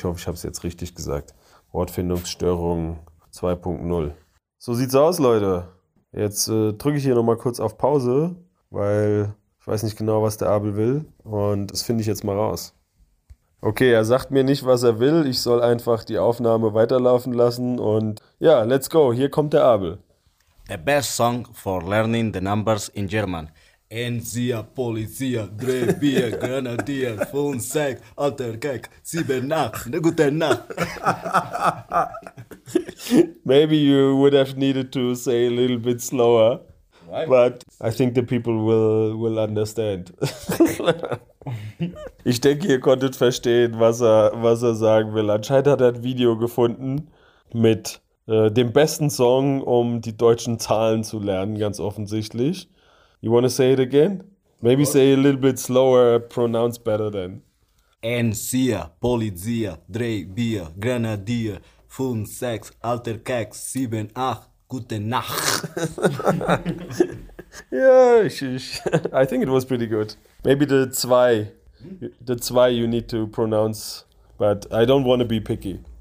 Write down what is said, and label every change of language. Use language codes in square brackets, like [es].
[de] Ich hoffe, ich habe es jetzt richtig gesagt. Wortfindungsstörung 2.0. So sieht's aus, Leute. Jetzt drücke ich hier nochmal kurz auf Pause, weil ich weiß nicht genau, was der Abel will. Und das finde ich jetzt mal raus. Okay, er sagt mir nicht, was er will. Ich soll einfach die Aufnahme weiterlaufen lassen. Und ja, [en] let's go. [de] Hier kommt der Abel. [en] The best song for learning the numbers in German. [de] Enzia, Polizia, Grevier, Grenadier, Fonsec, Alterkeck, Siebenacht, ne gute Nacht. [en] Maybe you would have needed to say a little bit slower, but I think the people will understand. [de] Ich denke, ihr konntet verstehen, was er sagen will. Anscheinend hat er ein Video gefunden mit dem besten Song, um die deutschen Zahlen zu lernen, ganz offensichtlich. [en] You want to say it again? Maybe What? say a little bit slower, pronounce better then. [de] Enzia, Polizia, Drei, Bier, Grenadier, Fun, Sex, Alter, Keks, Sieben, Acht, Gute Nacht. [en] I think it was pretty good. Maybe the zwei you need to pronounce, but I don't want to be picky.